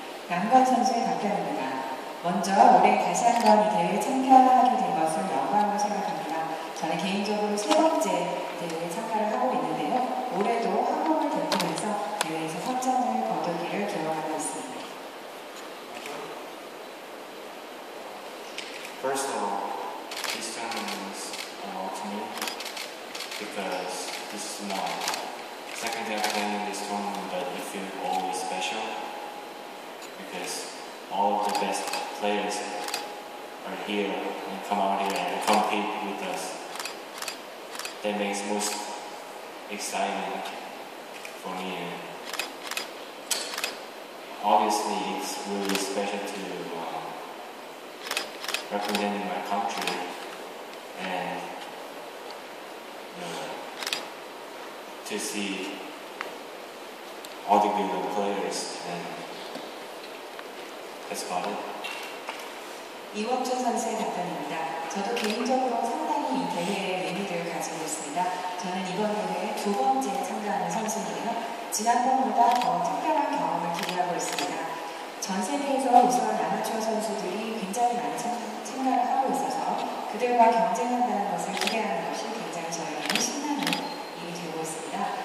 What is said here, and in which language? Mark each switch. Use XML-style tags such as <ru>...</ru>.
<ko>양건 선수의 답변입니다. 먼저 올해 다시 한번 이 대회에 참가하게 된 것을 영광으로 생각합니다. 저는 개인적으로 세 번째 대회에 참가를 하고 있는데요. 올해도 한국을 대표해서 대회에서 성적을 거두기를 기원하고 있습니다.</ko> <en>First of all, this tournament means a lot to me because this is my second time playing this tournament, but it feels always special because all of the best players are here and come out here and compete with us. That makes most exciting for me. Obviously, it's really special to representing my country and to see all the good players, and that's about it.</en> <ko>이원준 선수의 답변입니다. 저도 개인적으로 상당히 이 대회의 의미를 가지고 있습니다. 저는 이번 대회에 두 번째 참가하는 선수인데요. 지난번보다 더 특별한 경험을 기대하고 있습니다. 전 세계에서 우수한 아마추어 선수들이 굉장히 많이 참가를 하고 있어서 그들과 경쟁한다는 것을 기대하는 것이 굉장히 저에게는 신나는 일이 되고 있습니다.</ko>